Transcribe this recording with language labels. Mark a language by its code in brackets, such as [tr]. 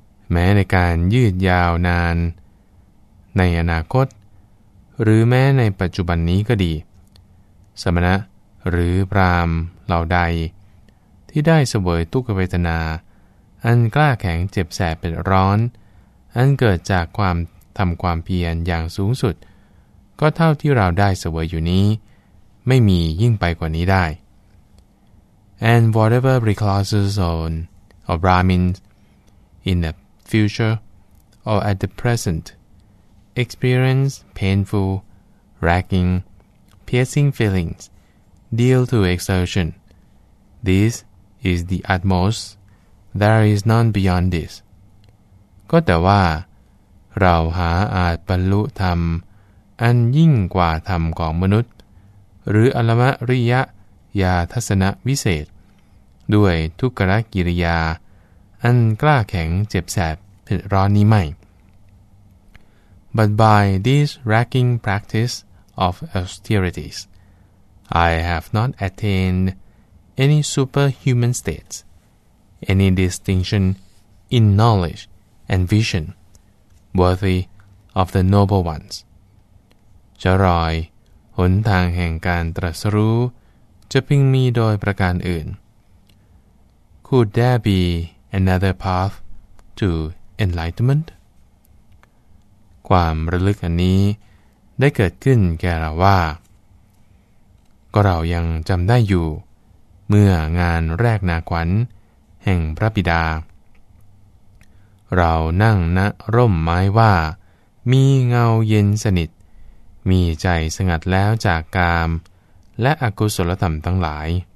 [th] แม้ในการยืดยาวนานในอนาคตหรือแม้ในปัจจุบันนี้ก็ดีสมณะหรือพราหมณ์เหล่าใดที่ได้เสวยทุกขเวทนาอันกล้าแข็งเจ็บแสบเป็นร้อนอันเกิดจากความทำความเพียรอย่างสูงสุดก็เท่าที่เราได้เสวยอยู่นี้ไม่มียิ่งไปกว่านี้ได้ [en] And whatever reclusives on or Brahmins in the future or at the present experience painful, racking, piercing feelings, deal to exertion. This is the utmost. There is none beyond this. [th] ก็แต่ว่าเราหาอาจบรรลุธรรมอันยิ่งกว่าธรรมของมนุษย์หรืออรมริยะญาทัศนวิเศษด้วยทุกขกิริยาอันกล้าแข็งเจ็บแสบเผ็ดร้อนนี้ไม่ [en] But by this racking practice of austerities I have not attained any superhuman states any distinction in knowledgeand vision worthy of the noble ones [th] จะรอยหนทางแห่งการตรัสรู้จะพึงมีโดยประการอื่น [en] Could there be another path to enlightenment? [th] ความระลึกอันนี้ได้เกิดขึ้นแก่เราว่าก็เรายังจำได้อยู่เมื่องานแรกนาขวัญแห่งพระบิดาเรานั่งณร่มไม้ว่ามีเงาเย็นสนิทมีใจสงัดแล้วจากกามและอกุศลธรรมทั้งหลาย